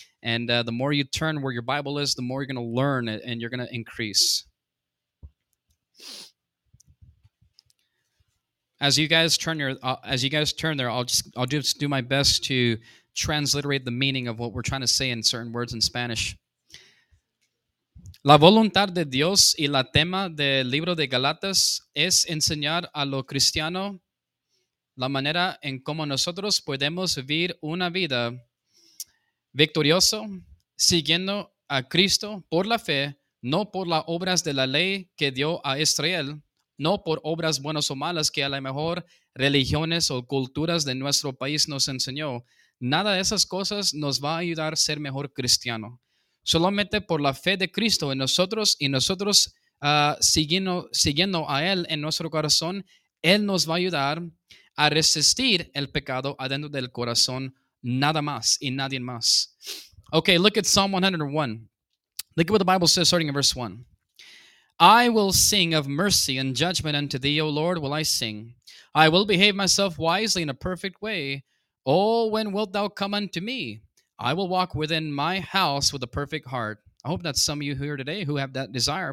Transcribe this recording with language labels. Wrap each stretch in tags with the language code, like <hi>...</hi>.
<en>And the more you turn where your Bible is, the more you're going to learn it and you're going to increase. As you guys turn there, I'll just do my best to transliterate the meaning of what we're trying to say in certain words in Spanish.</en> <es>La voluntad de Dios y la tema del libro de Galatas es enseñar a lo cristiano la manera en cómo nosotros podemos vivir una vida victorioso siguiendo a Cristo por la fe, no por las obras de la ley que dio a Israel, no por obras buenas o malas que a lo mejor religiones o culturas de nuestro país nos enseñó. Nada de esas cosas nos va a ayudar a ser mejor cristiano. Solamente por la fe de Cristo en nosotros y nosotros siguiendo a Él en nuestro corazón, Él nos va a ayudar a resistir el pecado adentro del corazón, nada más y nadie más.</es> <en>Okay, look at Psalm 101. Look at what the Bible says starting in verse 1. I will sing of mercy and judgment unto thee, O Lord, will I sing. I will behave myself wisely in a perfect way. Oh, when wilt thou come unto me? I will walk within my house with a perfect heart. I hope that's some of you here today who have that desire.</en>